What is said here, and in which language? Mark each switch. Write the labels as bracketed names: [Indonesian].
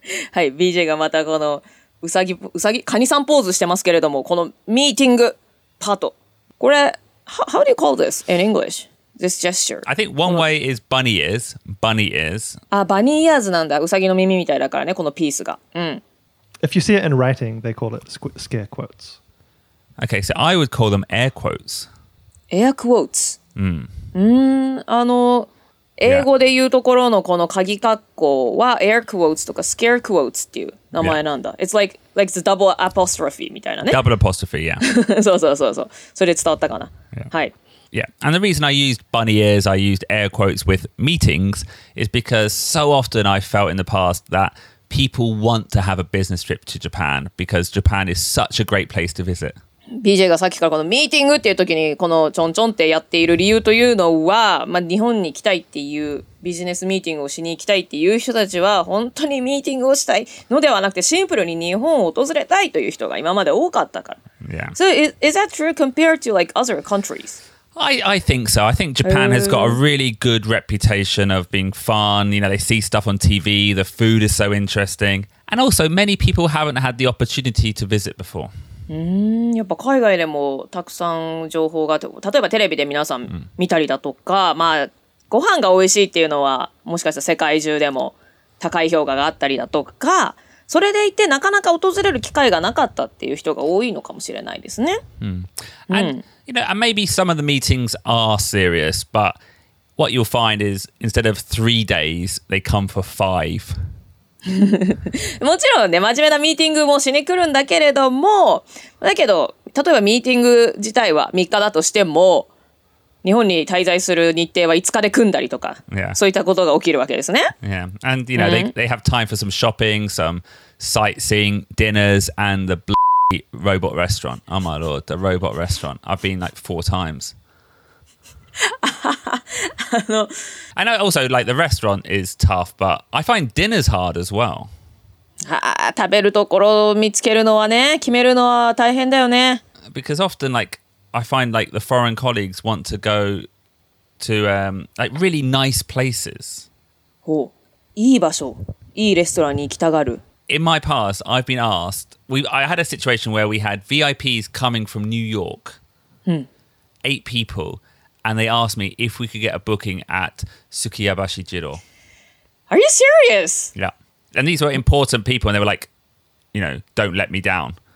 [Japanese] はい、BJ がまたこのうさぎ、カニさんポーズしてますけれども、このミーティングパート。これ、 [English] how do you call this in English? This gesture. I think one way is bunny ears. Bunny ears. [Japanese] あ、バニーアーズなんだ。うさぎの耳みたいだからね、このピースが。うん。 [English] If you see it in writing, they call it scare quotes. Okay, so I would call them air quotes. Air quotes. Hmm. [Japanese] あの英語で言うところのこの鍵括弧は、 [English] yeah. [Japanese] air quotes とか scare quotes っていう名前なんだ、 [English] yeah. It's like the double apostrophe [Japanese] みたいなね [English] Double apostrophe, yeah [Japanese] そうそうそうそうそれで伝わったかな、 [English] yeah. [Japanese] はい [English] Yeah, and the reason I used bunny ears, I used air quotes with meetings is because so often I felt in the past that people want to have a business trip to Japan because Japan is such a great place to visit. BJ がさっきからこのミーティングっていう時にこのちょんちょんってやっている理由というのは、まあ、日本に来たいっていうビジネスミーティングをしに行きたいっていう人たちは本当にミーティングをしたいのではなくてシンプルに日本を訪れたいという人が今まで多かったから。 Yeah. So is that true compared to like other countries? I think so. I think Japan has got a really good reputation of being fun. You know, they see stuff on TV, the food is so interesting. And also, many people haven't had the opportunity to visit before. [Japanese] やっぱ海外でもたくさん情報が、例えばテレビで皆さん見たりだとか、まあ、ご飯が美味しいっていうのは、もしかしたら世界中でも高い評価があったりだとか、それでいてなかなか訪れる機会がなかったっていう人が多いのかもしれないですね。 [English] You know, and maybe some of the meetings are serious, but what you'll find is instead of 3 days, they come for 5. [Japanese] もちろんね、真面目なミーティングもしに来るんだけれども、だけど、例えばミーティング自体は3日だとしても、日本に滞在する日程は5日で組んだりとか、 [English] yeah. [Japanese] そういったことが起きるわけですね。 [English] Yeah, and you know,、mm-hmm. they have time for some shopping, some sightseeing, dinners, and the blah. Robot restaurant. Oh my lord, the robot restaurant. I've been like 4 times. I know also like the restaurant is tough, but I find dinner's hard as well. [Japanese] 食べるところを見つけるのはね、決めるのは大変だよね。 [English] Because often like I find like the foreign colleagues want to go to like really nice places. [Japanese] ほう、いい場所、いいレストランに行きたがる。 [English] In my past, I've been asked, I had a situation where we had VIPs coming from New York, 8 people, and they asked me if we could get a booking at Tsukiyabashi Jiro. Are you serious? Yeah. And these were important people, and they were like, you know, don't let me down.